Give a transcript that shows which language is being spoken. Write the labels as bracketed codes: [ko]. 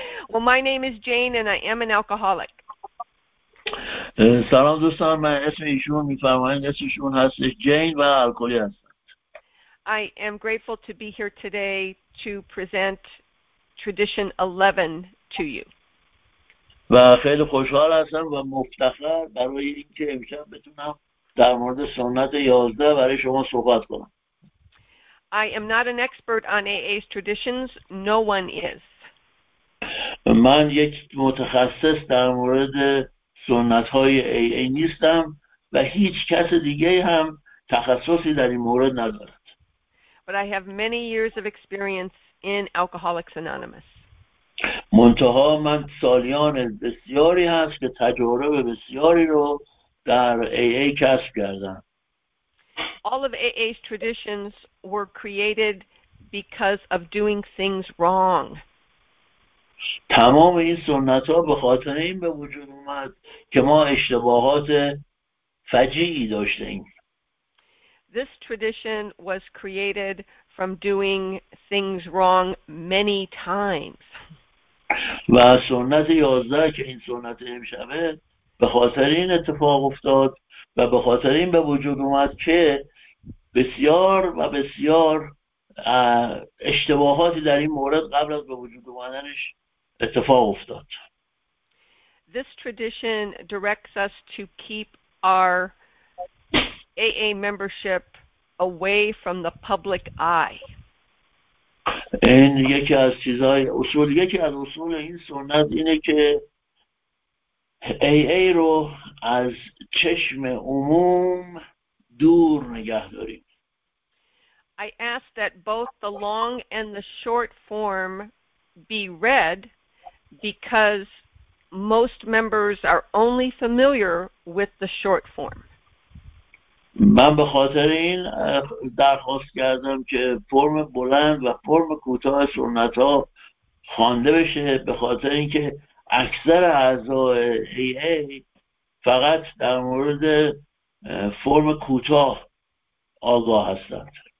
[en] Well, my name is Jane, and I am an alcoholic. [fa] سلام دوستان، من اسم ایشون میفرمایم، اسم ایشون هست جین و الکلی هستند. [en] I am grateful to be here today to present Tradition 11 to you. [fa] و خیلی خوشحال هستم و مفتخر برای اینکه امشب بتونم در مورد سنت 11 برای شما صحبت کنم. [en] I am not an expert on AA's traditions. No one is. [fa] من یک متخصص در مورد سنت‌های AA نیستم و هیچ کس دیگه هم تخصصی در این مورد ندارد. [en] But I have many years of experience in Alcoholics Anonymous. [fa] منتها من سالیان بسیاری هست که تجارب بسیاری رو در AA کسب کردم. [en] All of AA's traditions were created because of doing things wrong. [fa] تمام این سنت ها به خاطر این به وجود اومد که ما اشتباهات فجیعی داشتیم. [en] This tradition was created from doing things wrong many times. [fa] و سنت 11 که این سنت امشبه به خاطر این اتفاق افتاد و به خاطر این به وجود اومد که بسیار و بسیار اشتباهاتی در این مورد قبل از به وجود اومدنش اتفاق افتاد. [en] This tradition directs us to keep our AA membership away from the public eye. [fa] این یکی از چیزهای اصول، یکی از اصول این سنت اینه که AA رو از چشم عموم دور نگه داریم. [en] I ask that both the long and the short form be read because most members are only familiar with the short form. [fa] من به خاطر این درخواست کردم که فرم بلند و فرم کوتاه سنت ها خوانده بشه، به خاطر اینکه اکثر اعضای هیئت فقط در مورد فرم کوتاه آگاه هستند.